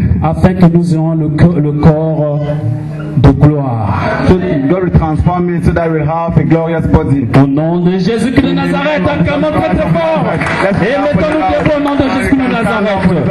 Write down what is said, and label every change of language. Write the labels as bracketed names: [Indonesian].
[French] Afin que nous ayons le corps de gloire. [English] So God will transform it so that we have a glorious body. [French] Au nom de Jésus Christ de Nazareth, un commandement très fort. Et mettons-nous debout au nom de Jésus Christ de Nazareth.